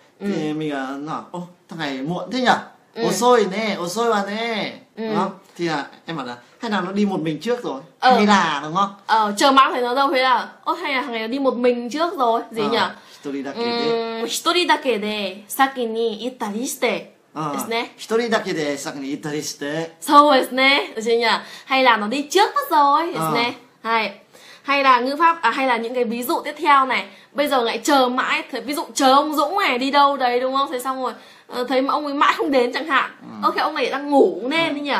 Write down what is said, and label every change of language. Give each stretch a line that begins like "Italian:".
Vietnamese: Thì mình nói, ô, thằng này muộn thế nhỉ?
Japanese: Osoi nè, osoi wa nè.
Vietnamese: Đúng không? Thì là em bảo là hay là nó đi một mình trước rồi. Hay là đúng không? Chờ mãi thấy nó đâu, thế là ô, hay là thằng này đi một mình trước rồi, gì nhỉ?
Japanese: Hitori dake de. Hitori dake de saki ni itta ni shite. Ờ, 1人 だけ で 先に行ったりして.
Vietnamese: So is ne, hay là nó đi trước mất rồi, is ne. Hay là ngữ pháp, hay là những cái ví dụ tiếp theo này. Bây giờ lại chờ mãi, thấy, ví dụ chờ ông Dũng này đi đâu đấy đúng không? Thế xong rồi, thấy mà ông ấy mãi không đến chẳng hạn. Ok, ông này đang ngủ nên đấy nhỉ?